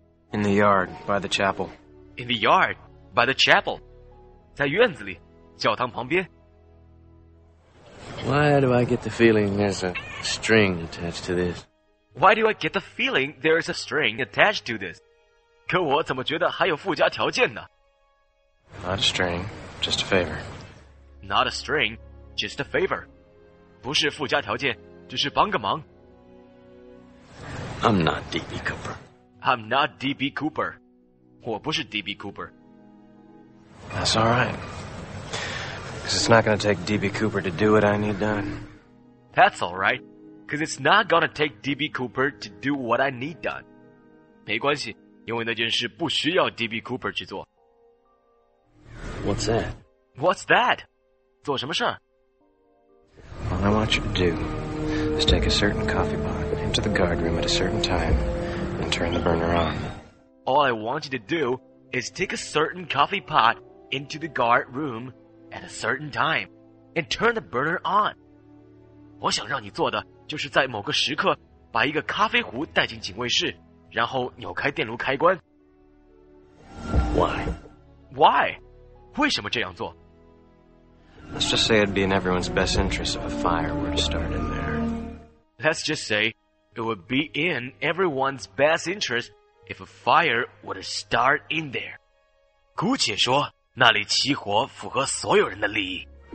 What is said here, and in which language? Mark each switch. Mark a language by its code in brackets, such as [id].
[en] In the yard, by the chapel. In the yard, by the chapel. [zh] 在院子里，教堂旁边。 [en] Why do I get the feeling there's a string attached to this? Why do I get the feeling there's a string attached to this? [zh] 可我怎么觉得还有附加条件呢？ [en] Not a string, just a favor. Not a string, just a favor. [zh] 不是附加条件，只是帮个忙。 [en] I'm not D.B. Cooper. I'm not D.B. Cooper. [zh] 我不是 [en] D.B. Cooper. That's all right. Because it's not going to take D.B. Cooper to do what I need done. That's all right. Because it's not going to take D.B. Cooper to do what I need done. [zh] 没关系。因为那件事不需要 D.B. Cooper 去做。 [en] What's that? What's that? [zh] 做什么事儿？ [en] All I want you to do is take a certain coffee pot into the guard room at a certain time and turn the burner on. All I want you to do is take a certain coffee pot into the guard room at a certain time and turn the burner on. [zh] 我想让你做的就是在某个时刻把一个咖啡壶带进警卫室。然后扭开电炉开关。 [en] Why? Why? [zh] 为什么这样做？ [en] Let's just say it'd be in everyone's best interest if a fire were to start in there. Let's just say it would be in everyone's best interest if a fire were to start in there. [zh] 姑且说，那里起火符合所有人的利益。